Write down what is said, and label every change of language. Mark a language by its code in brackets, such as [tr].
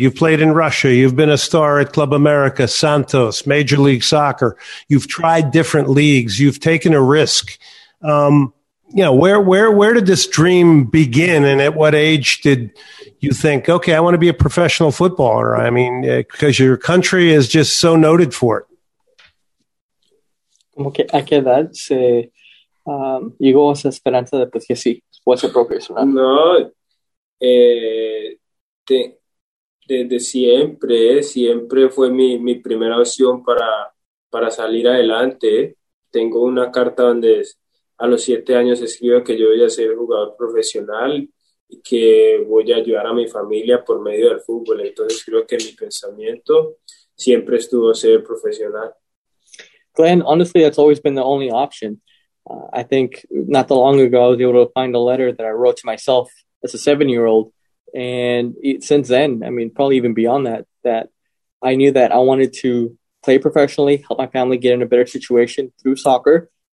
[en] You've played in Russia. You've been a star at Club America, Santos, Major League Soccer. You've tried different leagues. You've taken a risk. Where did this dream begin, and at what age did you think, okay, I want to be a professional footballer? I mean, because your country is just so noted for it. [es] Como que a qué edad se llegó esa esperanza de, pues, que sí, puede ser profesional? No, desde siempre fue mi primera opción para salir adelante. Tengo una carta donde a los 7 años escribo que yo voy a ser jugador profesional y que voy a ayudar a mi familia por medio del fútbol. Entonces creo que mi pensamiento siempre estuvo ser profesional. [en] Glenn, honestly, that's always been the only option. I think not that long ago, I was able to find a letter that I wrote to myself as a 7-year-old. And since then, I mean, probably even beyond that, that I knew that I wanted to play professionally, help my family get in a better situation through soccer.